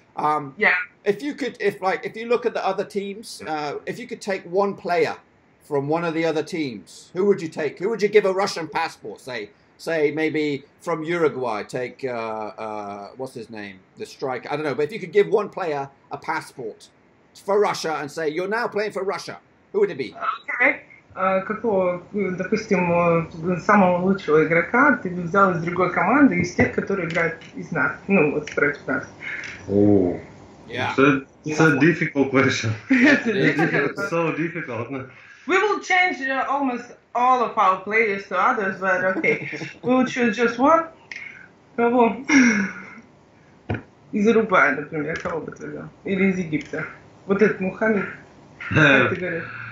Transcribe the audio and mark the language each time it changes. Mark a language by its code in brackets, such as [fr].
[en] If you look at the other teams, if you could take one player from one of the other teams, who would you take? Who would you give a Russian passport? Say maybe from Uruguay, take, what's his name? The striker. I don't know. But if you could give one player a passport for Russia and say, you're now playing for Russia, who would it be? [ru] Допустим, самого лучшего игрока ты бы взял из другой команды, из тех, которые играют из нас, ну, вот против нас. [en] It's a difficult question. So difficult. We will change almost all of our players to others, but okay. We will choose just one. [ru] Кого? Из Уругвая, например, кого бы ты взял? Или из Египта? Вот этот Мухаммед, как ты говоришь?